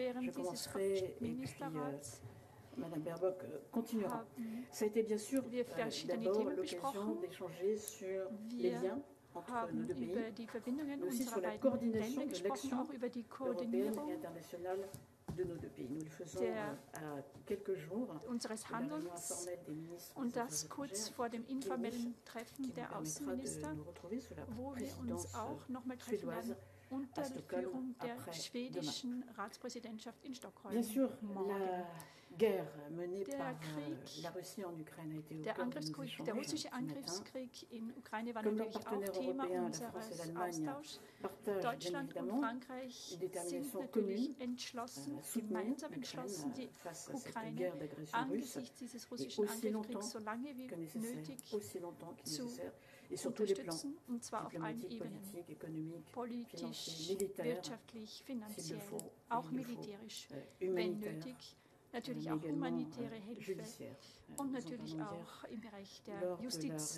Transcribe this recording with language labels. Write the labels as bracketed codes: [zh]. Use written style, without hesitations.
[fr] Je commencerai et puis Madame Baerbock continuera. Ça a été bien sûr d'abord l'occasion d'échanger sur les liens entre nos deux pays, mais aussi sur la coordination de l'action européenne et internationale de nos deux pays. Nous le faisons à quelques jours de la réunion informelle des ministres [de] und das kurz vor dem informellen Treffen der Außenminister, wo wir uns auch noch mal treffen unter Führung der schwedischen Ratspräsidentschaft in Stockholm. [fr] Bien sûr, la guerre menée par la Russie en Ukraine a été au cœur de nos échanges. [de] Der russische Angriffskrieg in Ukraine war natürlich auch Thema unseres Austauschs. Deutschland und Frankreich sind natürlich entschlossen, gemeinsam entschlossen, die Ukraine angesichts dieses russischen Angriffskriegs so lange wie nötig zu unterstützen, und zwar auf allen Ebenen, politisch, wirtschaftlich, finanziell, auch militärisch, wenn nötig, natürlich auch humanitäre Hilfe und natürlich auch im Bereich der Justiz.